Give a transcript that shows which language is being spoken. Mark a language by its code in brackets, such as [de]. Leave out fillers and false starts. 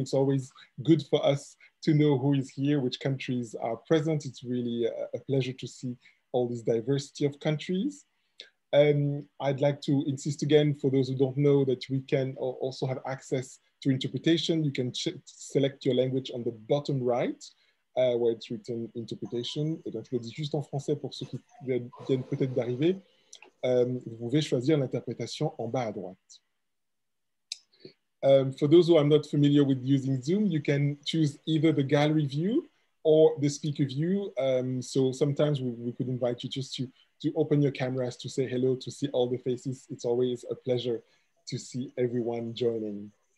[en] It's always good for us to know who is here, which countries are present. It's really a pleasure to see all this diversity of countries. I'd like to insist again, for those who don't know, that we can also have access to interpretation. You can select your language on the bottom right, where it's written interpretation. [fr] Et donc, je le dis juste en français pour ceux qui viennent peut-être d'arriver. Vous pouvez choisir l'interprétation en bas à droite. [en] For those who are not familiar with using Zoom, you can choose either the gallery view or the speaker view. So sometimes we could invite you just to open your cameras, to say hello, to see all the faces. It's always a pleasure to see everyone joining.